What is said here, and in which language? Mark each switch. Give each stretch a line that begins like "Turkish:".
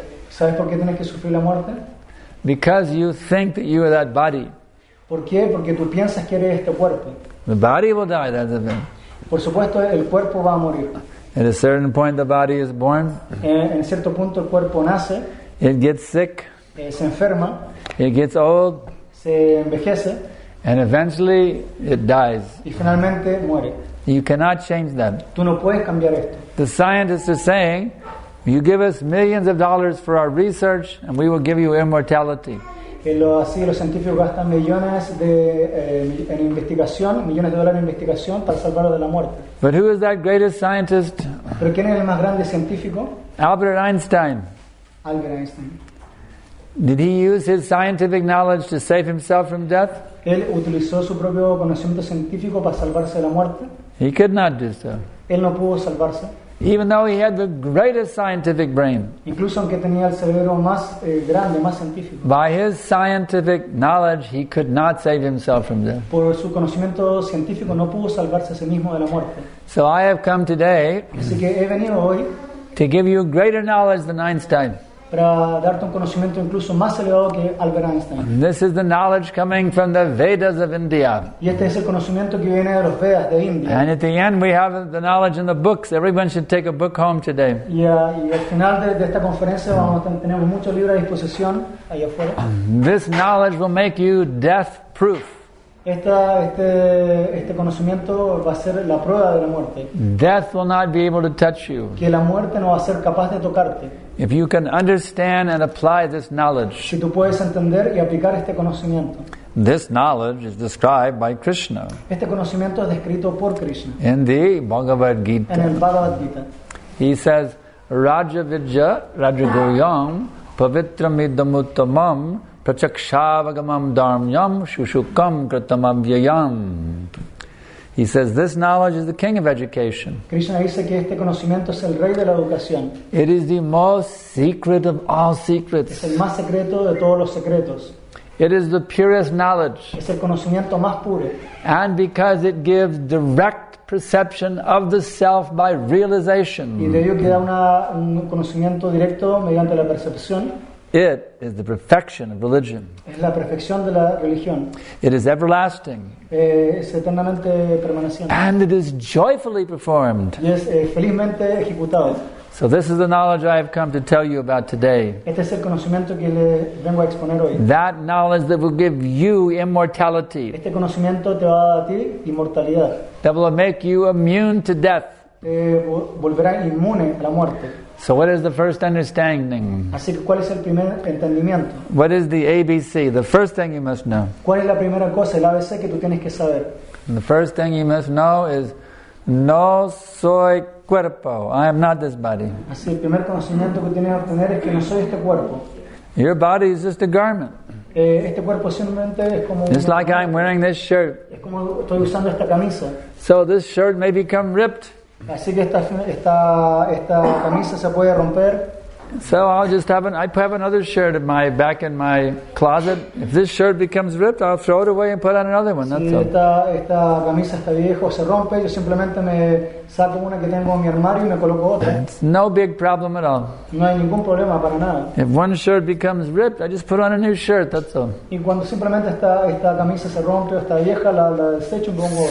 Spanish: ¿Sabes por qué tienes que sufrir la muerte?
English: Because you think that you are that body.
Spanish: ¿Por qué? Porque tú piensas que eres este cuerpo.
English: The body will die, that's the thing.
Spanish: Por supuesto, el cuerpo va a morir.
English: At a certain point, the body is born.
Spanish: En cierto punto, el cuerpo nace.
English: It gets sick.
Spanish: Se enferma.
English: It gets old.
Spanish: Se envejece.
English: And eventually, it dies.
Spanish: Y finalmente, muere.
English: You cannot change that.
Spanish: Tú no puedes cambiar esto.
English: The scientists are saying, you give us millions of dollars for our research, and we will give you immortality.
Spanish: Así los científicos gastan millones de en investigación, millones de dólares en investigación para salvarlo de la muerte.
English: But who is that greatest scientist?
Spanish: ¿Pero quién es el más grande científico?
English: Albert Einstein.
Spanish: Albert Einstein.
English: Did he use his scientific knowledge to save himself from death?
Spanish: Él utilizó su propio conocimiento científico para salvarse de la muerte.
English: He could not do so.
Spanish: Él no pudo salvarse.
English: Even though he had the greatest scientific brain,
Spanish: incluso aunque tenía el cerebro más grande, más científico,
English: by his scientific knowledge, he could not save himself from death.
Spanish: Por su conocimiento científico, no pudo salvarse a sí mismo de la muerte.
English: So I have come today,
Spanish: así que he venido hoy,
English: to give you greater knowledge than Einstein.
Spanish: Para darte un conocimiento incluso más elevado que Albert Einstein.
English: This is the knowledge coming from the Vedas of India.
Spanish: Y este es el conocimiento que viene de los Vedas de India.
English: And at the end we have the knowledge in the books. Everyone should take a book home today.
Spanish: Y al final de esta conferencia tenemos muchos libros a disposición allá afuera.
English: This knowledge will make you death proof.
Spanish: Este conocimiento va a ser la prueba de la muerte.
English: Death will not be able to touch you.
Spanish: Que la muerte no va a ser capaz de tocarte.
English: If you can understand and apply this knowledge,
Spanish: si tú puedes entender y aplicar este conocimiento,
English: this knowledge is described by Krishna.
Spanish: Este conocimiento es descrito por Krishna.
English: In the Bhagavad Gita.
Spanish: En el Bhagavad Gita.
English: He says,
Sanskrit: Raja Vidya, Raja Guryam, Pavitram Idam Uttamam, Prachakshavagamam Dharmyam, Shushukam Kratamam Vyayam.
English: He says, this knowledge is the king of education.
Spanish: Krishna dice que este conocimiento es el rey de la educación.
English: It is the most secret of all secrets.
Spanish: Es el más secreto de todos los secretos.
English: It is the purest knowledge.
Spanish: Es el conocimiento más puro.
English: And because it gives direct perception of the self by realization.
Spanish: Y de ello que da un conocimiento directo mediante la percepción.
English: It is the perfection of religion.
Spanish: Es la perfección de la religión.
English: It is everlasting.
Spanish: Es eternamente permanente.
English: And it is joyfully performed.
Spanish: Y es felizmente ejecutado.
English: So this is the knowledge I have come to tell you about today.
Spanish: Este es el conocimiento que le vengo a exponer hoy.
English: That knowledge that will give you immortality.
Spanish: Este conocimiento te va a dar a ti inmortalidad.
English: That will make you immune to death.
Spanish: Volverá inmune a la muerte.
English: So what is the first understanding?
Spanish: Así que, ¿cuál es el primer entendimiento?
English: What is the ABC? The first thing you must know.
Spanish: ¿Cuál es la primera cosa, el ABC que tú tienes que saber?
English: And the first thing you must know is
Spanish: no soy cuerpo.
English: I am not this body.
Spanish: Así, el primer conocimiento que tienes que obtener es que no soy este cuerpo.
English: Your body is just a garment.
Spanish: Este cuerpo simplemente es como
English: just like I'm wearing this shirt.
Spanish: Es como estoy usando esta camisa.
English: So this shirt may become ripped.
Spanish: Así que esta camisa se puede romper.
English: So I'll just have another shirt in my back in my closet. If this shirt becomes ripped, I'll throw it away and put on another one. That's all.
Spanish: Esta camisa está vieja o se rompe, yo simplemente me saco una que tengo en mi armario y me coloco otra.
English: It's no big problem at all.
Spanish: No hay ningún problema para nada.
English: If one shirt becomes ripped, I just put on a new shirt. That's all.
Spanish: Y cuando simplemente esta camisa se rompe o está vieja, la desecho y pongo otra.